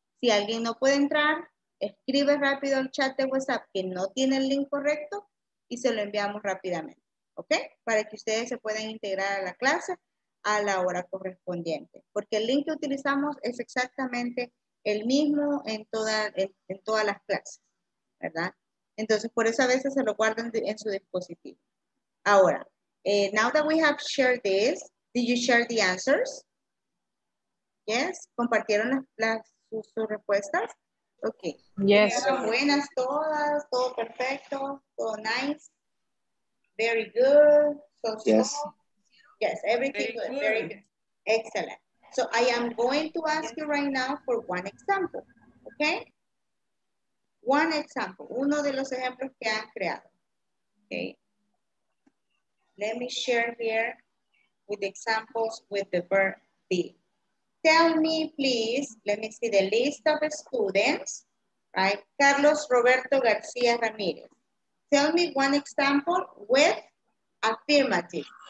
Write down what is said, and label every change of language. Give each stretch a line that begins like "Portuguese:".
Spanish: Si alguien no puede entrar, escribe rápido al chat de WhatsApp que no tiene el link correcto y se lo enviamos rápidamente, ¿ok? Para que ustedes se puedan integrar a la clase a la hora correspondiente, porque el link que utilizamos es exactamente el mismo en todas las clases, ¿verdad? Entonces, por eso a veces se lo guardan en su dispositivo. Ahora,
English: now that we have shared this, did you share the answers? Yes,
Spanish: ¿compartieron sus respuestas? Ok.
English: Yes.
Spanish: Buenas todas, todo perfecto, todo nice.
English: Very good. So, yes. Yes, everything very good. Excellent. So I am going to ask you right now for one example, okay? One example,
Spanish: uno de los ejemplos que han creado, okay?
English: Let me share here with examples with the verb be. Tell me, please, let me see the list of students, right? Carlos Roberto García Ramírez. Tell me one example with affirmative.